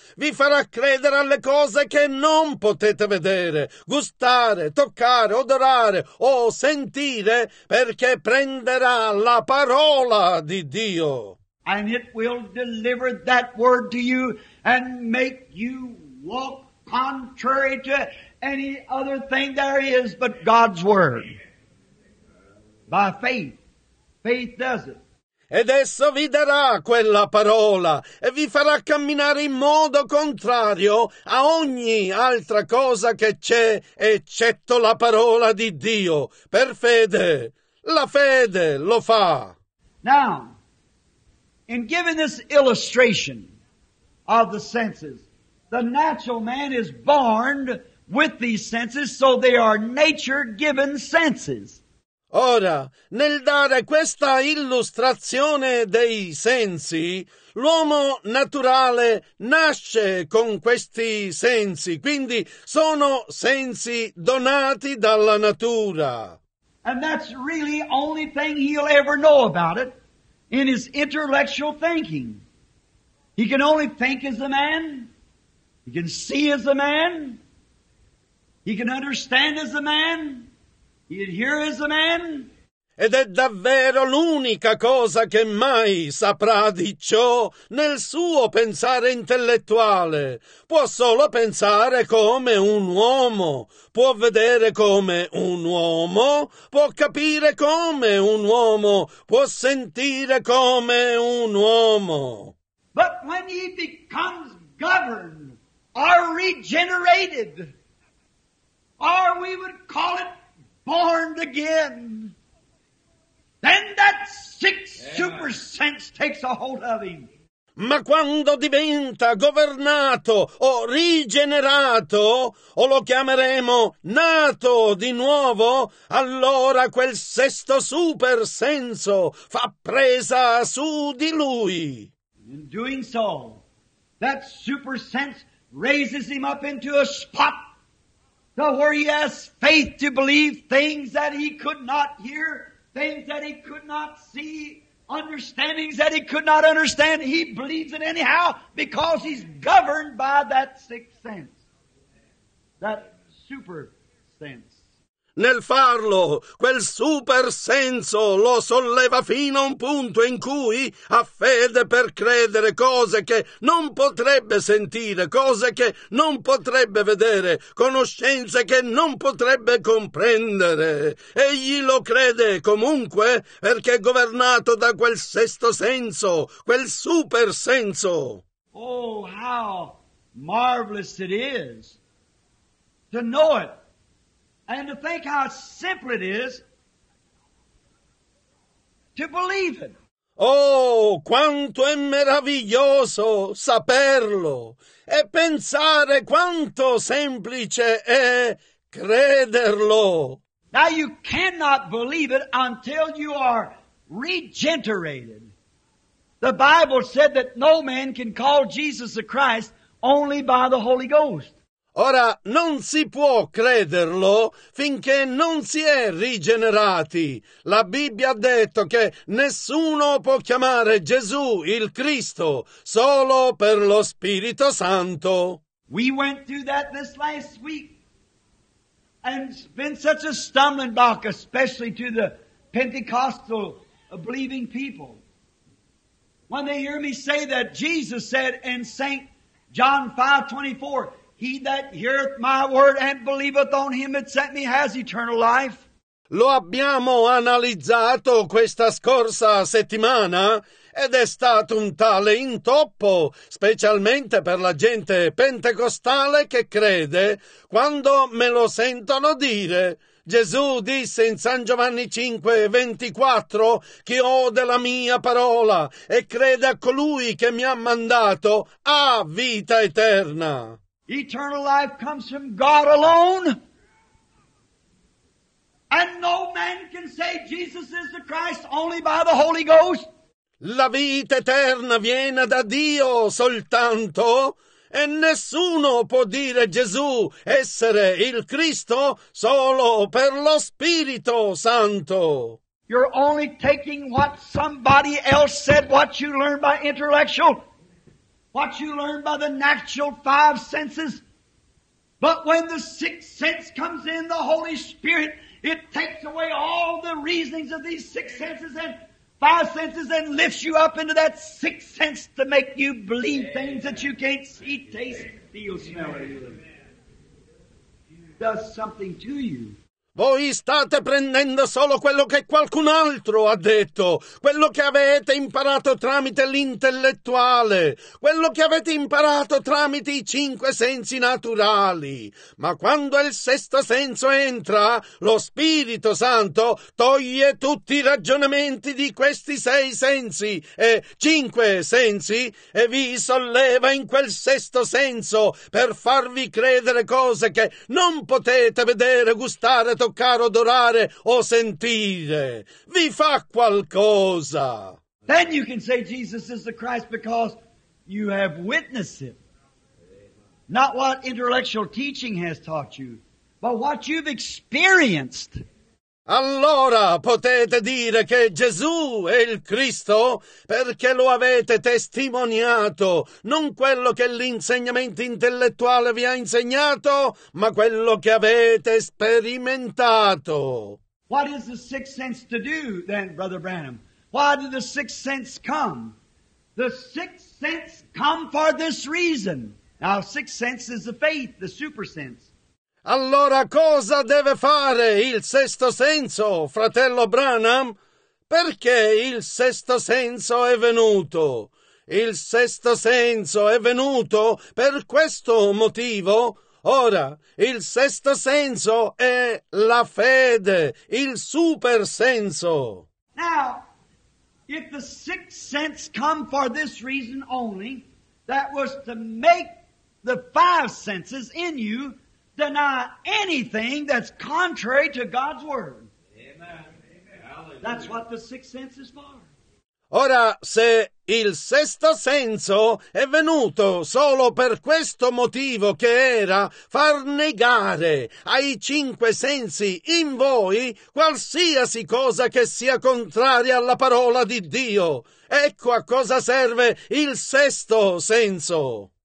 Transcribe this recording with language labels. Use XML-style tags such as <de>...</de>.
<it>Vi farà credere alle cose che non potete vedere, gustare, toccare, odorare o sentire, perché prenderà la parola di Dio.</it> <en>And it will deliver that word to you and make you walk contrary to any other thing there is but God's word. By faith. Faith does it.</en> <it>Ed esso vi darà quella parola e vi farà camminare in modo contrario a ogni altra cosa che c'è eccetto la parola di Dio. Per fede. La fede lo fa.</it> <en>Now, in giving this illustration of the senses, the natural man is born with these senses, so they are nature-given senses.</en> <it>Ora, nel dare questa illustrazione dei sensi, l'uomo naturale nasce con questi sensi, quindi sono sensi donati dalla natura.</it> <en>And that's really the only thing he'll ever know about it. In his intellectual thinking, he can only think as a man, he can see as a man, he can understand as a man, he can hear as a man.</en> <it>Ed è davvero l'unica cosa che mai saprà di ciò nel suo pensare intellettuale. Può solo pensare come un uomo, può vedere come un uomo, può capire come un uomo, può sentire come un uomo.</it> <en>But when he becomes governed, or regenerated, or we would call it born again, then that sixth super sense takes a hold of him.</en> <it>Ma quando diventa governato o rigenerato, o lo chiameremo nato di nuovo, allora quel sesto super senso fa presa su di lui.</it> <en>In doing so, That super sense raises him up into a spot to where he has faith to believe things that he could not hear, things that he could not see, understandings that he could not understand. He believes it anyhow because he's governed by that sixth sense, that super sense.</en> <it>Nel farlo, quel super senso lo solleva fino a un punto in cui ha fede per credere cose che non potrebbe sentire, cose che non potrebbe vedere, conoscenze che non potrebbe comprendere. Egli lo crede comunque perché è governato da quel sesto senso, quel super senso.</it> <en>Oh, how marvelous it is to know it. And to think how simple it is to believe it.</en> <it>Oh, quanto è meraviglioso saperlo e pensare quanto semplice è crederlo.</it> <en>Now you cannot believe it until you are regenerated. The Bible said that no man can call Jesus the Christ only by the Holy Ghost.</en> <it>Ora, non si può crederlo finché non si è rigenerati. La Bibbia ha detto che nessuno può chiamare Gesù il Cristo solo per lo Spirito Santo.</it> <en>We went through that this last week. And it's been such a stumbling block, especially to the Pentecostal believing people. When they hear me say that Jesus said in St. John 5:24, He that heareth my word and believeth on him that sent me has eternal life.</en> <it>Lo abbiamo analizzato questa scorsa settimana ed è stato un tale intoppo, specialmente per la gente pentecostale che crede, quando me lo sentono dire. Gesù disse in San Giovanni 5:24, chi ode la mia parola e crede a colui che mi ha mandato ha vita eterna.</it> <en>Eternal life comes from God alone. And no man can say Jesus is the Christ only by the Holy Ghost.</en> <it>La vita eterna viene da Dio soltanto. E nessuno può dire Gesù essere il Cristo solo per lo Spirito Santo.</it> <en>You're only taking what somebody else said, what you learned by intellectual, what you learn by the natural five senses. But when the sixth sense comes in, the Holy Spirit, it takes away all the reasonings of these six senses and five senses and lifts you up into that sixth sense to make you believe things that you can't see, taste, feel, smell, or even. Does something to you.</en> <it>Voi state prendendo solo quello che qualcun altro ha detto, quello che avete imparato tramite l'intellettuale, quello che avete imparato tramite i cinque sensi naturali. Ma quando il sesto senso entra, lo Spirito Santo toglie tutti i ragionamenti di questi sei sensi e cinque sensi e vi solleva in quel sesto senso per farvi credere cose che non potete vedere, gustare, toccare, odorare o sentire. Vi fa qualcosa.</it> <en>Then you can say Jesus is the Christ because you have witnessed it. Not what intellectual teaching has taught you, but what you've experienced.</en> <it>Allora potete dire che Gesù è il Cristo perché lo avete testimoniato, non quello che l'insegnamento intellettuale vi ha insegnato, ma quello che avete sperimentato.</it> <en>What is the sixth sense to do then, Brother Branham? Why did the sixth sense come? The sixth sense come for this reason. Now, sixth sense is the faith, the super sense.</en> <it>Allora cosa deve fare il sesto senso, fratello Branham? Perché il sesto senso è venuto? Il sesto senso è venuto per questo motivo. Ora, il sesto senso è la fede, il super senso.</it> <en>Now, if the sixth sense come for this reason only, that was to make the five senses in you deny anything that's contrary to God's word. Amen. That's what the sixth sense is for.</en> <it>Ora, se il sesto senso è venuto solo per questo motivo, che era far negare ai cinque sensi in voi qualsiasi cosa che sia contraria alla parola di Dio, ecco a cosa serve il sesto senso.</it>